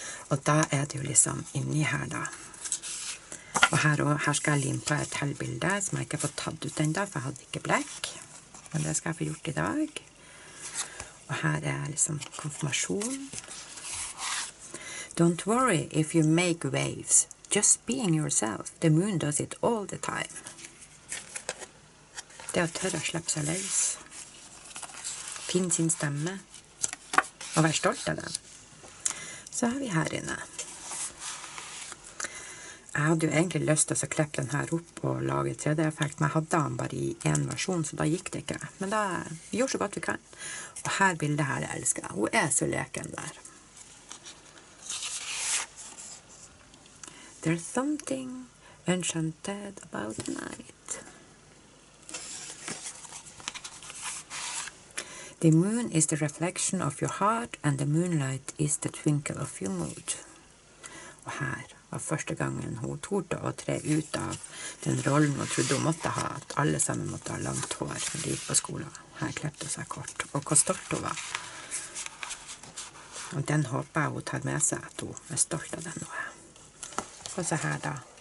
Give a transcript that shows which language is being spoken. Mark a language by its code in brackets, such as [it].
[no] Og da er det jo liksom inni her da. Og her, også, her skal jeg lime på et hellbilde som jeg ikke har fått tatt ut enda, for jeg hadde ikke blekk. Men det skal jeg få gjort i dag. Og her er liksom konfirmasjon. [en] Don't worry if you make waves. Just being yourself. The moon does it all the time. [no] Det å tørre å slippe seg løs. Finn sin stemme. Og vær stolt av den. Så har vi her inne. Jeg hadde jo egentlig lyst til å kleppe den her opp og lage 3D-effekt, men jeg hadde den bare i en versjon, så da gikk det ikke. Men da gjorde vi så godt vi kan. Og her bildet her, jeg elsker. Hun er så leken der. [en] There's something enchanted about the night. The moon is the reflection of your heart, and the moonlight is the twinkle of your mood. [no] Og her var første gangen hun torde å tre ut av den rollen hun trodde hun måtte ha, at alle sammen måtte ha langt hår når de gikk på skolen. Her klepte hun seg kort, og hvor stolt hun var. Og den håper jeg hun tar med seg, at hun er stolt av den nå. Og så her da.